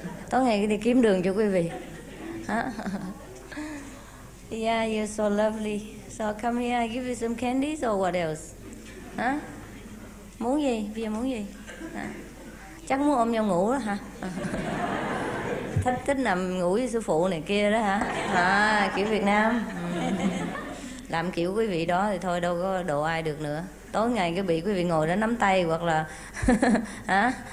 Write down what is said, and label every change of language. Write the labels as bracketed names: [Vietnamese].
[Vietnamese] Tối ngày đi kiếm đường cho quý vị. Hả? [English] Yeah, you're so lovely. So come here, I give you some candies or what else? [Vietnamese] Hả? Muốn gì? Bây giờ muốn gì? Hả? Chắc muốn ôm nhau ngủ đó hả? Thích nằm ngủ với sư phụ này kia đó hả? Hả? Kiểu Việt Nam. Làm kiểu quý vị đó thì thôi đâu có độ ai được nữa. Tối ngày cứ bị quý vị ngồi đó nắm tay hoặc là... Hả?